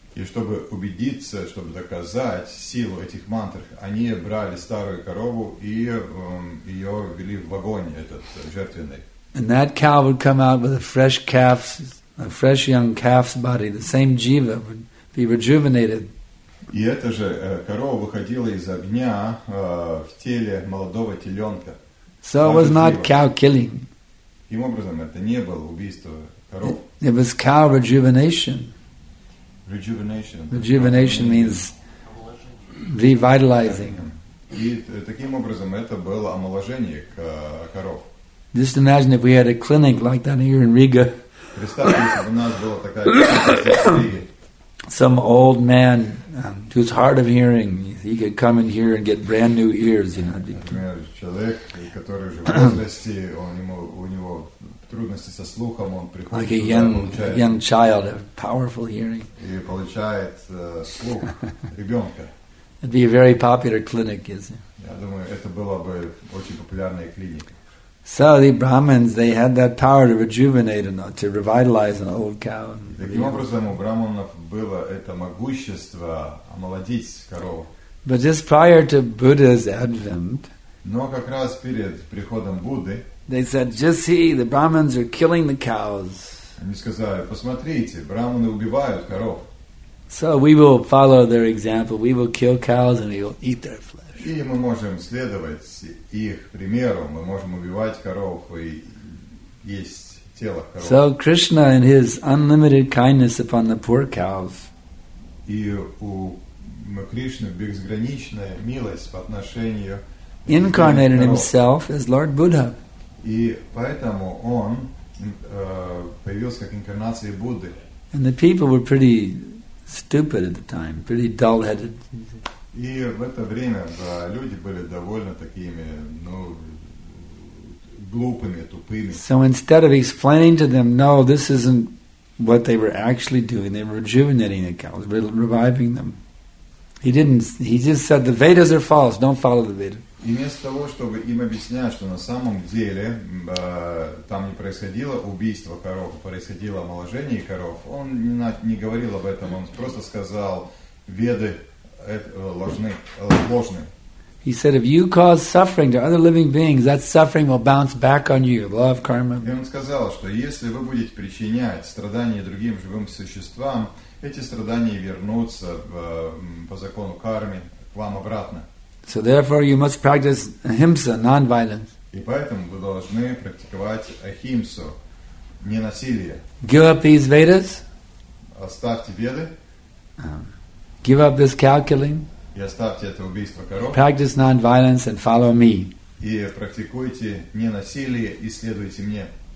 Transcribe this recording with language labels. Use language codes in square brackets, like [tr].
[ru] И чтобы убедиться, чтобы доказать силу этих мантр, они брали старую корову и ее ввели в огонь этот жертвенный. [en] And that cow would come out with a fresh young calf's body. The same jiva would be rejuvenated. [ru] И эта же корова выходила из огня в теле молодого теленка. [en] So it was not cow killing. [ru] Таким образом, это не было убийство коров. [en] It was cow rejuvenation. Rejuvenation. Rejuvenation means revitalizing. [ru] И таким образом, это было омоложение коров. [en] Just imagine if we had a clinic like that here in Riga. [ru] Представьте, если бы у нас была такая клиника в Риге. [en] Some old man who's hard of hearing, he could come in here and get brand new ears, you know. [ru] Например, человек, который уже в возрасте, у него трудности со слухом, он приходит. [en] Like a young child, a powerful hearing. [ru] И получает слух ребенка. [en] It'd be a very popular clinic, isn't it? [ru] Я думаю, это была бы очень популярная клиника. [en] So the Brahmins, they had that power to rejuvenate and to revitalize an old cow. [ru] Таким образом, у браманов было это могущество омолодить корову. [en] But just prior to Buddha's advent, [ru] но как раз перед приходом Будды, [en] they said, "Just see, the Brahmins are killing the cows." [ru] Они сказали: "Посмотрите, браманы убивают коров." [en] So we will follow their example. We will kill cows and we will eat their flesh. [ru] И мы можем следовать их примеру. Мы можем убивать коров и есть тело коров. [en] So Krishna, in his unlimited kindness upon the poor cows, [ru] и у Кришны безграничная милость по отношению к коров, [en] incarnated himself as Lord Buddha. [ru] И поэтому он появился как инкарнация Будды. [en] And the people were pretty stupid at the time, pretty dull-headed. [ru] И в это время люди были довольно такими, глупыми, тупыми. [en] So instead of explaining to them, no, this isn't what they were actually doing. They were rejuvenating the cows, reviving them. He didn't. He just said the Vedas are false. Don't follow the Vedas. [ru] И вместо того, чтобы им объяснять, что на самом деле там не происходило убийство коров, происходило омоложение коров, он не говорил об этом, он просто сказал, веды ложны. [en] He said, if you cause suffering to other living beings, that suffering will bounce back on you. Law of karma. [ru] И он сказал, что если вы будете причинять страдания другим живым существам, эти страдания вернутся по закону кармы к вам обратно. [en] So therefore, you must practice ahimsa, non-violence. [ru] И поэтому вы должны практиковать ахимсу, не насилие. [en] Give up these Vedas. [ru] Оставьте Веды. [en] Give up this cow killing. [ru] И оставьте это убийство коров. [en] Practice non-violence and follow me. [ru] И практикуйте не насилие и следуйте мне.